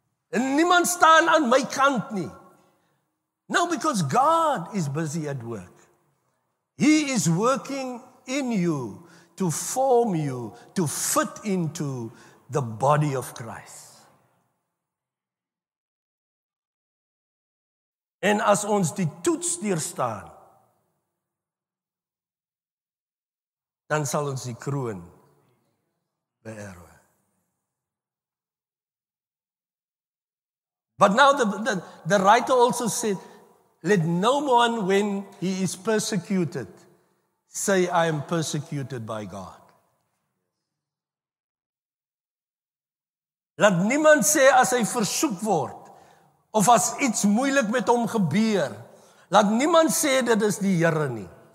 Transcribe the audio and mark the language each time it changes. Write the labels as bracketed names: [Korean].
[Afrikaans] En niemand staan aan my kant nie. [English] No, because God is busy at work. He is working in you to form you, to fit into the body of Christ. [Afrikaans] En as ons die toets deurstaan, dan sal ons die kroon beërwe. [English] But now the writer also said, let no one, when he is persecuted, say, I am persecuted by God. [Afrikaans] Laat niemand sê as hy versoek word, of as iets moeilik met hom gebeur, laat niemand sê dit is die Here nie.